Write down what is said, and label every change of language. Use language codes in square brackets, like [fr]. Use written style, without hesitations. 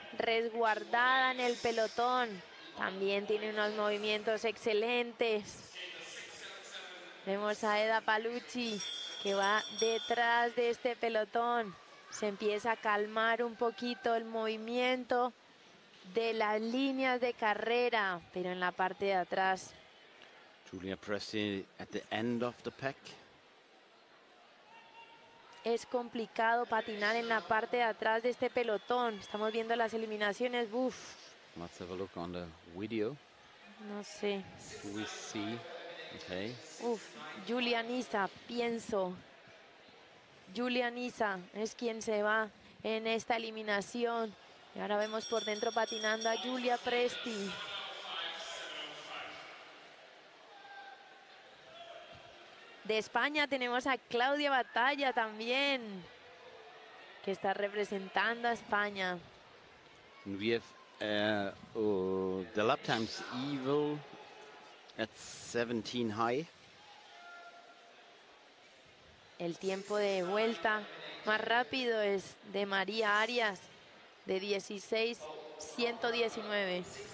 [es] resguardada en el pelotón. También tiene unos movimientos excelentes. Vemos a Eda Palucci que va detrás de este pelotón. Se empieza a calmar un poquito el movimiento de las líneas de carrera, pero en la parte de atrás. [en] Julia Presti at the end of the pack. [es] Es complicado patinar en la parte de atrás de este pelotón. Estamos viendo las eliminaciones. Uf. [en] Let's have a look on the video. [es] No sé. [en] We see. Okay. [es] Uf, Julian Issa, pienso. Julian Issa es quien se va en esta eliminación. Y ahora vemos por dentro patinando a Julia Presti. De España tenemos a Claudia Batalla también, que está representando a España. [en] We have the lap times evil at 17 high. [es] El tiempo de vuelta más rápido es de María Arias, de 16:119.